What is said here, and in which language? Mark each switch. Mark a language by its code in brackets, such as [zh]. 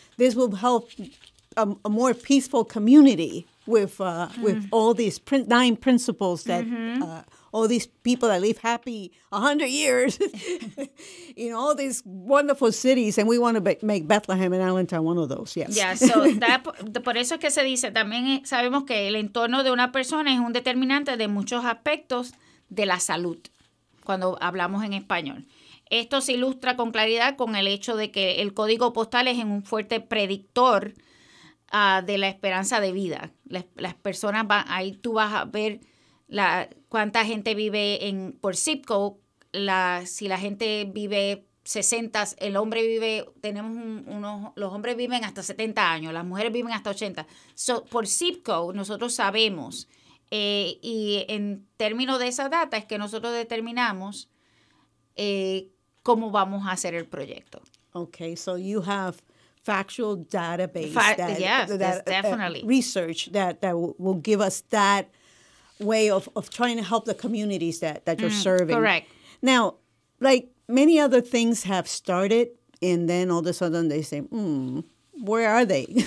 [en] This will help a more peaceful community with all these nine principles that all these people that live happy 100 years in all these wonderful cities. And we want to make Bethlehem and Allentown one of those, yes. [es] Yeah, so por eso es que se dice, también sabemos que el entorno de una persona es un determinante de muchos aspectos de la salud. Cuando hablamos en español. Esto se ilustra con claridad con el hecho de que el código postal es un fuerte predictor de la esperanza de vida. Las personas van, ahí tú vas a ver cuánta gente vive por zip code. Si la gente vive 60, el hombre vive, tenemos los hombres viven hasta 70 años, las mujeres viven hasta 80. So, por zip code, nosotros sabemos. Y en términos de esa data es que nosotros determinamos cómo vamos a hacer el proyecto. [en] Okay, so you have factual database. Definitely. Research that will give us that way of trying to help the communities that you're serving. Correct. Now, like many other things have started, and then all of a sudden they say, where are they?